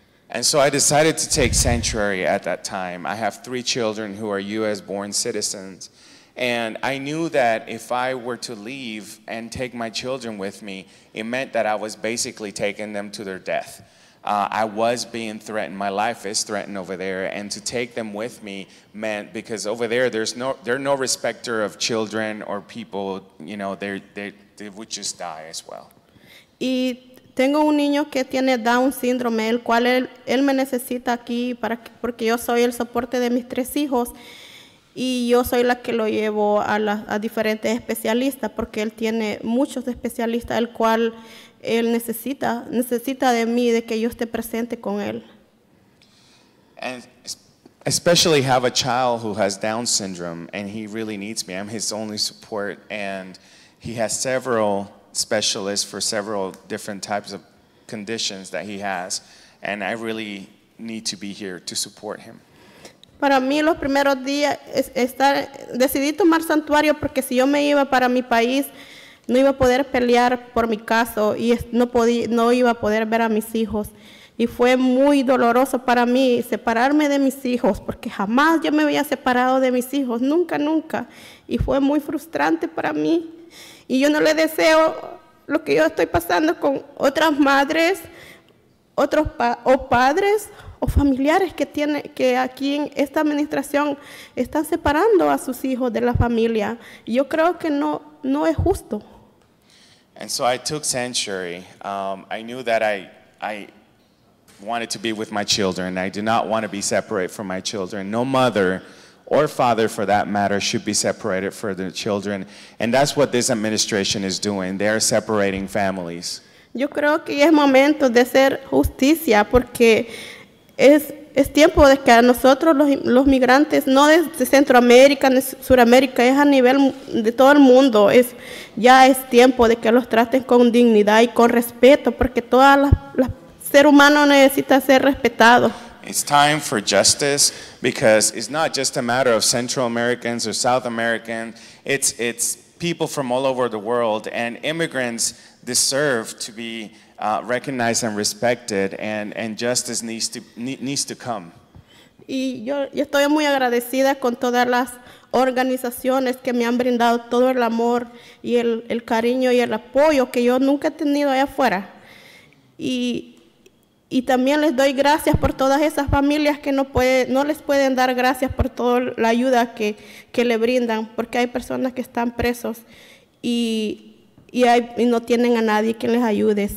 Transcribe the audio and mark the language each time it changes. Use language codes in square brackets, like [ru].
[en] And so I decided to take sanctuary at that time. I have three children who are U.S. born citizens. And I knew that if I were to leave and take my children with me, it meant that I was basically taking them to their death. I was being threatened. My life is threatened over there. And to take them with me meant, because over there, they're no respecter of children or people, you know, they would just die as well. [es] Y tengo un niño que tiene Down síndrome, el cual él me necesita aquí para que, porque yo soy el soporte de mis tres hijos. Y yo soy la que lo llevo a diferentes especialistas porque él tiene muchos especialistas el cual él necesita de mí de que yo esté presente con él. [en] And especially have a child who has Down syndrome and he really needs me. I'm his only support and he has several specialists for several different types of conditions that he has and I really need to be here to support him. [es] Para mí los primeros días decidí tomar santuario porque si yo me iba para mi país no iba a poder pelear por mi caso y no iba a poder ver a mis hijos y fue muy doloroso para mí separarme de mis hijos porque jamás yo me había separado de mis hijos, nunca y fue muy frustrante para mí y yo no le deseo lo que yo estoy pasando con otras madres, otros padres o familiares que tiene que aquí en esta administración están separando a sus hijos de la familia. Yo creo que no es justo. [en] And so I took sanctuary. I knew that I wanted to be with my children. I do not want to be separated from my children. No mother or father, for that matter, should be separated from their children. And that's what this administration is doing. They are separating families. [es] Yo creo que es momento de hacer justicia porque es tiempo de que a nosotros los migrantes, no de Centroamérica ni Suramérica, es a nivel de todo el mundo, ya es tiempo de que los traten con dignidad y con respeto porque todo el ser humano necesita ser respetado. [en] It's time for justice because it's not just a matter of Central Americans or South Americans, it's people from all over the world and immigrants deserve to be recognized and respected, and justice needs to come. [es] Y yo estoy muy agradecida con todas las organizaciones que me han brindado todo el amor y el cariño y el apoyo que yo nunca he tenido allá afuera. Y también les doy gracias por todas esas familias que no les pueden dar gracias por toda la ayuda que le brindan, porque hay personas que están presos y no tienen a nadie que les ayude.